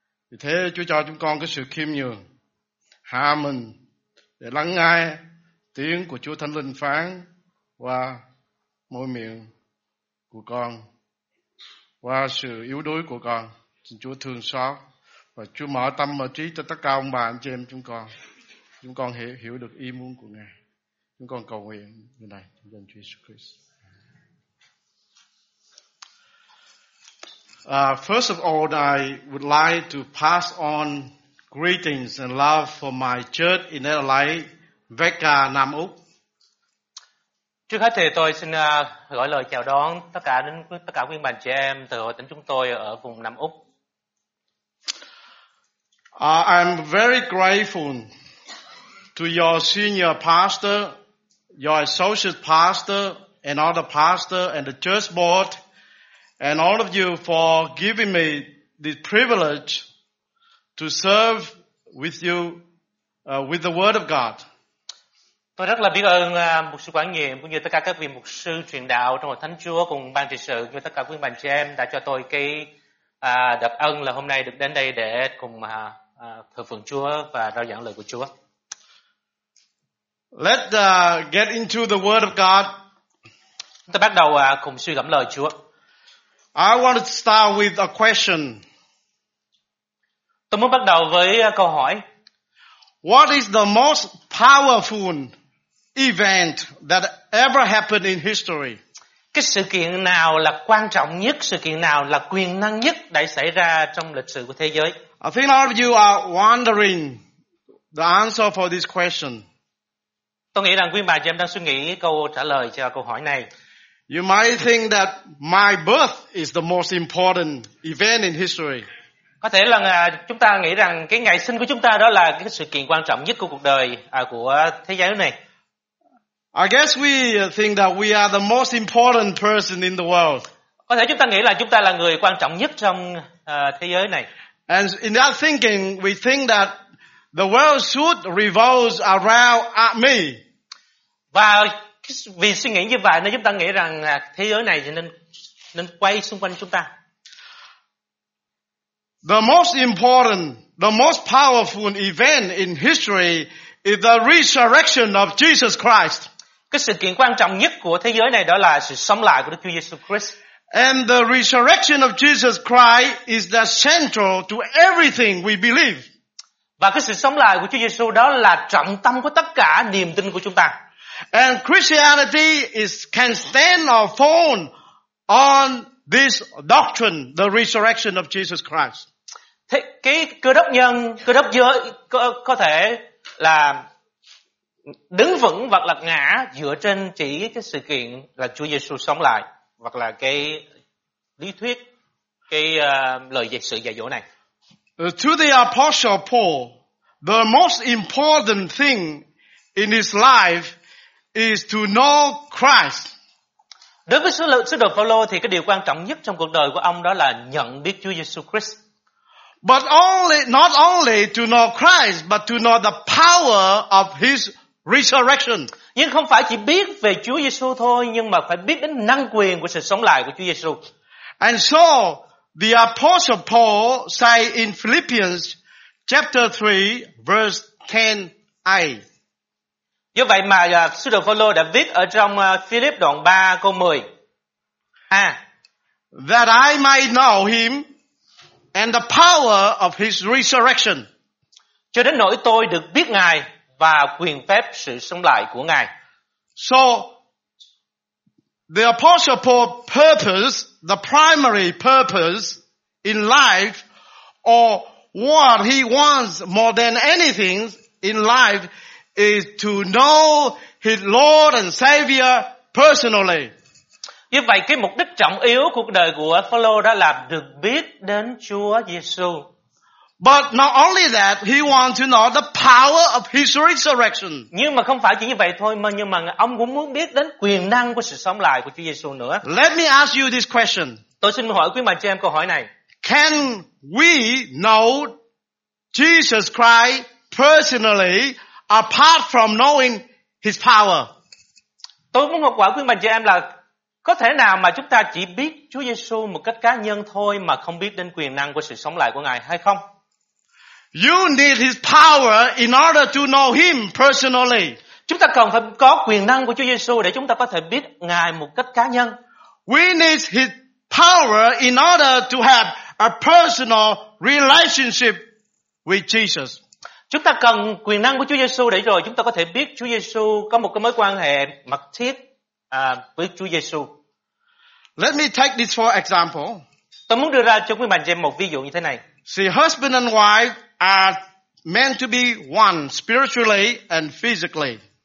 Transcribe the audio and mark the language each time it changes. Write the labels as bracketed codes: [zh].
[vi] Vì thế Chúa cho chúng con cái sự khiêm nhường, hạ mình để lắng nghe tiếng của Chúa Thánh Linh phán qua môi miệng của con, qua sự yếu đuối của con. Xin Chúa thương xót và Chúa mở tâm mở trí cho tất cả ông bà anh chị em chúng con. Chúng con hiểu được ý muốn của Ngài. Chúng con cầu nguyện như này trong danh Chúa Jesus Christ. [en] First of all, I would like to pass on greetings and love for my church in Adelaide, VECA Nam Úc. [vi] Trước hết thì tôi xin gửi lời chào đón tất cả quý bạn chị em từ hội thánh chúng tôi ở vùng Nam Úc. [en] I'm very grateful to your senior pastor, your associate pastor, and other pastor and the church board. And all of you for giving me the privilege to serve with you with the Word of God. [vi] Tôi rất là biết ơn mục sư quản nhiệm cũng như tất cả các vị mục sư truyền đạo trong hội thánh Chúa cùng ban trị sự như tất cả quý bạn chị em đã cho tôi cái đặc ân là hôm nay được đến đây để cùng thờ phượng Chúa và rao giảng lời của Chúa. [en] Let's get into the Word of God. [vi] Ta bắt đầu cùng suy gẫm lời Chúa. [en] I want to start with a question. [vi] Tôi muốn bắt đầu với câu hỏi. [en] What is the most powerful event that ever happened in history? [vi] Cái sự kiện nào là quan trọng nhất, sự kiện nào là quyền năng nhất đã xảy ra trong lịch sử của thế giới? [en] I think all of you are wondering the answer for this question. [vi] Tôi nghĩ rằng quý bà chị em đang suy nghĩ câu trả lời cho câu hỏi này. [en] You might think that my birth is the most important event in history. [vi] Có thể là chúng ta nghĩ rằng cái ngày sinh của chúng ta đó là cái sự kiện quan trọng nhất của cuộc đời của thế giới này. [en] I guess we think that we are the most important person in the world. [vi] Có thể chúng ta nghĩ là chúng ta là người quan trọng nhất trong thế giới này. [en] And in that thinking, we think that the world should revolve around me. [vi] Và vì suy nghĩ như vậy nên chúng ta nghĩ rằng thế giới này nên quay xung quanh chúng ta. [en] The most important, the most powerful event in history is the resurrection of Jesus Christ. [vi] Cái sự kiện quan trọng nhất của thế giới này đó là sự sống lại của Đức Chúa Jesus Christ. [en] And the resurrection of Jesus Christ is the central to everything we believe. [vi] Và cái sự sống lại của Chúa Jesus đó là trọng tâm của tất cả niềm tin của chúng ta. [en] And Christianity can stand or fall on this doctrine, the resurrection of Jesus Christ. [vi] Thế cái cơ đốc giới có thể là đứng vững hoặc là ngã dựa trên chỉ cái sự kiện là Chúa Giêsu sống lại hoặc là cái lý thuyết, cái lời dạy sự dạy dỗ này. [en] To the Apostle Paul, the most important thing in his life is to know Christ. [vi] Đối với sứ đồ Phaolô thì cái điều quan trọng nhất trong cuộc đời của ông đó là nhận biết Chúa Giêsu Christ. [en] But only, not only to know Christ, but to know the power of His resurrection. [vi] Nhưng không phải chỉ biết về Chúa Giêsu thôi, nhưng mà phải biết đến năng quyền của sự sống lại của Chúa Giêsu. [en] And so the Apostle Paul say in Philippians chapter 3 verse 10a. [vi] Do vậy mà sứ đồ Phaolô đã viết ở trong Philip đoạn 3 câu 10. [en] That I might know him And the power of his resurrection. [vi] Cho đến nỗi tôi được biết Ngài và quyền phép sự sống lại của Ngài. [en] So the apostle Paul's purpose, the primary purpose in life, or what he wants more than anything in life, is to know his Lord and Savior personally. [vi] Như vậy cái mục đích trọng yếu cuộc đời của Phaolô đã là được biết đến Chúa Giêsu. [en] But not only that, he wants to know the power of his resurrection. [vi] Nhưng mà không phải chỉ như vậy thôi, mà nhưng mà ông cũng muốn biết đến quyền năng của sự sống lại của Chúa Giêsu nữa. [en] Let me ask you this question. [vi] Tôi xin hỏi quý bà cho em câu hỏi này. [en] Can we know Jesus Christ personally apart from knowing his power? [vi] Tôi muốn hỏi quý bà cho em là có thể nào mà chúng ta chỉ biết Chúa Giêsu một cách cá nhân thôi mà không biết đến quyền năng của sự sống lại của Ngài hay không? [en] You need his power in order to know him personally. [vi] Chúng ta cần phải có quyền năng của Chúa Giêsu để chúng ta có thể biết Ngài một cách cá nhân. [en] We need his power in order to have a personal relationship with Jesus. [vi] Chúng ta cần quyền năng của Chúa Giêsu để rồi chúng ta có thể biết Chúa Giêsu, có một cái mối quan hệ mật thiết với Chúa Giêsu. [en] Let me take this for example. [vi] Tôi muốn đưa ra cho quý bạn xem một ví dụ như thế này. [en] See, husband and wife are meant to be one spiritually and physically.